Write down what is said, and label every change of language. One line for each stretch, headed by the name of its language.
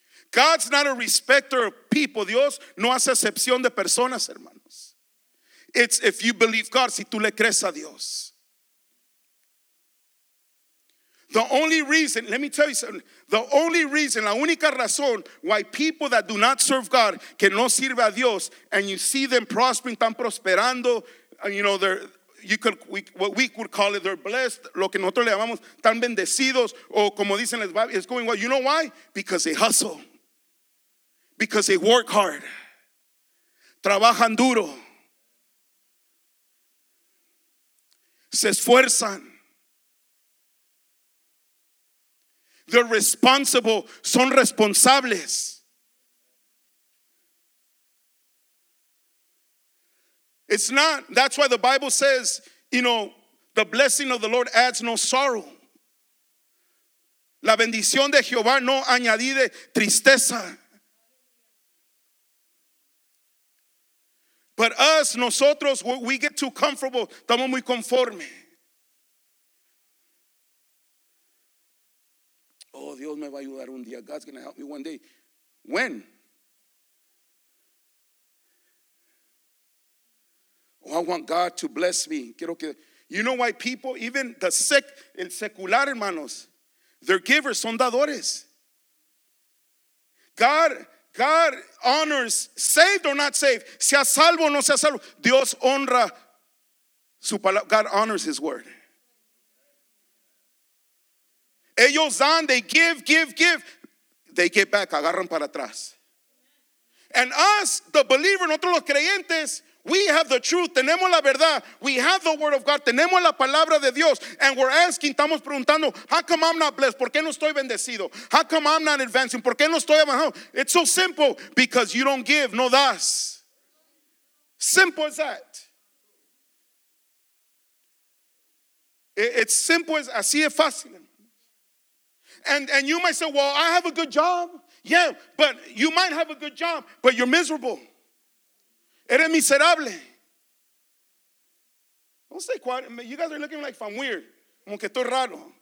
English: God's not a respecter of people.
Spanish: Dios no hace excepción de personas, hermanos.
English: It's if you believe God,
Spanish: si tú le crees a Dios.
English: The only reason, let me tell you something, the only reason,
Spanish: la única razón
English: why people that do not serve God,
Spanish: que no sirve a Dios,
English: and you see them prospering,
Spanish: están prosperando,
English: you know, what we could call it, they're blessed,
Spanish: lo que nosotros le llamamos, están bendecidos, o como dicen,
English: it's going well, you know why? Because they hustle. Because they work hard.
Spanish: Trabajan duro. Se esfuerzan.
English: They're responsible,
Spanish: son responsables.
English: It's not, that's why the Bible says, you know, the blessing of the Lord adds no sorrow.
Spanish: La bendición de Jehová no añade tristeza.
English: But us, nosotros, we get too comfortable,
Spanish: estamos muy conformes. Oh, Dios me va a ayudar un día.
English: God's going to help me one day. When? Oh, I want God to bless me.
Spanish: Quiero que,
English: you know why people, even the sick,
Spanish: el secular, hermanos,
English: they're givers,
Spanish: son dadores.
English: God honors, saved or not saved,
Spanish: sea salvo o no sea salvo, Dios honra
English: God honors his word.
Spanish: Ellos dan,
English: they give, give, give. They get back,
Spanish: agarran para atrás.
English: And us, the believer,
Spanish: nosotros los creyentes,
English: we have the truth,
Spanish: tenemos la verdad.
English: We have the word of God,
Spanish: tenemos la palabra de Dios.
English: And we're asking,
Spanish: estamos preguntando,
English: how come I'm not blessed?
Spanish: ¿Por qué no estoy bendecido?
English: How come I'm not advancing?
Spanish: ¿Por qué no estoy avanzando?
English: It's so simple, because you don't give,
Spanish: no das.
English: Simple as that. It's simple as,
Spanish: así es fácil.
English: And you might say, well, I have a good job. Yeah, but you might have a good job, but you're miserable.
Spanish: Eres miserable.
English: Don't say quiet. You guys are looking like I'm weird.
Spanish: Como que estoy raro.